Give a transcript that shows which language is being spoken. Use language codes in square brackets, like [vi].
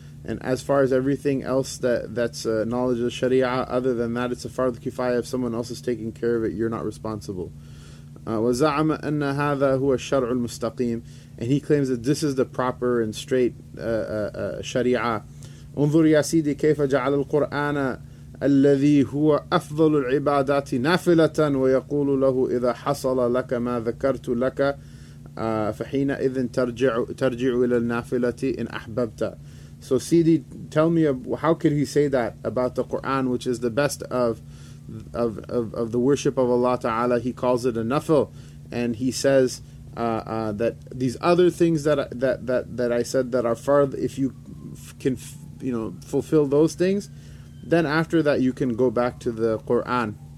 [en] And as far as everything else that's knowledge of the sharia, other than that, it's a fard kifaya. If someone else is taking care of it, you're not responsible. [ar] وَزَعَمَ أَنَّ هَذَا هُوَ الشَّرْعُ الْمُسْتَقِيمِ. [en] And he claims that this is the proper and straight sharia. [ar] انظر يا سيدي كيف جعل القرآن الذي هو أفضل العبادات نافلة ويقول له إذا حصل لك ما ذكرت لك فحينئذ ترجع إلى النافلة إن أحببت. [en] So Sidi, tell me, how could he say that about the Quran, which is the best of the worship of Allah Ta'ala? He calls it a nafil, and he says that these other things that I said that are fard, if you can fulfill those things, then after that you can go back to the Quran.